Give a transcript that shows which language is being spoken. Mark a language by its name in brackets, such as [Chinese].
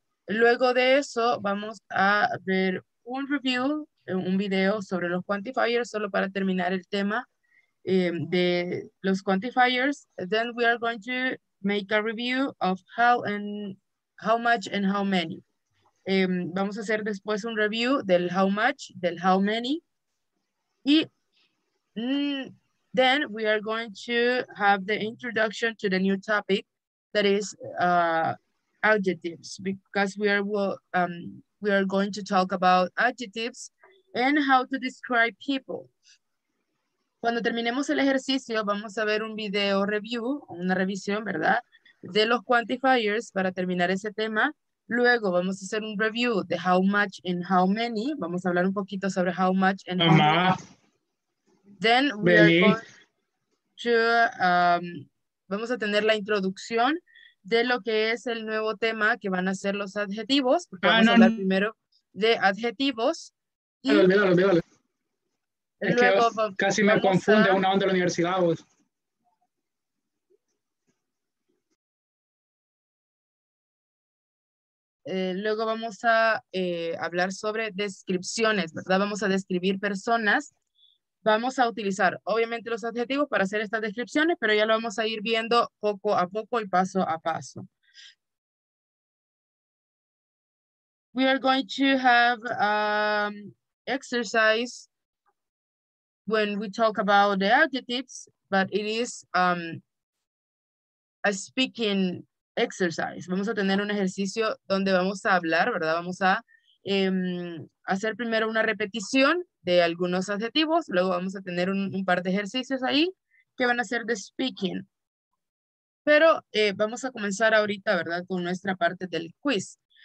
[Spanish] Luego de eso, vamos a ver un review, un video sobre los quantifiers, solo para terminar el tema. [English] The los quantifiers, then we are going to make a review of how and how much and how many. [Spanish] Vamos a hacer después un review del how much, del how many. [English] Y then we are going to have the introduction to the new topic that is adjectives, because we are going to talk about adjectives and how to describe people. [Spanish] Cuando terminemos el ejercicio, vamos a ver un video review, una revisión, ¿verdad? De los quantifiers para terminar ese tema. Luego vamos a hacer un review de how much and how many. Vamos a hablar un poquito sobre how much and Mamá. [English] How many. Then we [Spanish] Vení. [English] Are going to, [Spanish] vamos a tener la introducción de lo que es el nuevo tema que van a ser los adjetivos. Porque vamos a hablar primero de adjetivos. Y dale, dale, dale, dale. Es que luego, casi me confunde a una onda de la universidad. Vos. Luego vamos a hablar sobre descripciones, ¿verdad? Vamos a describir personas. Vamos a utilizar, obviamente, los adjetivos para hacer estas descripciones, pero ya lo vamos a ir viendo poco a poco y paso a paso. [English] We are going to have exercise when we talk about the adjectives, but it is a speaking exercise. [Spanish] Vamos a tener un ejercicio donde vamos a hablar, ¿verdad? Vamos a hacer primero una repetición de algunos adjetivos, luego vamos a tener un par de ejercicios ahí que van a ser de speaking. Pero vamos a comenzar ahorita, ¿verdad? Con nuestra parte del quiz.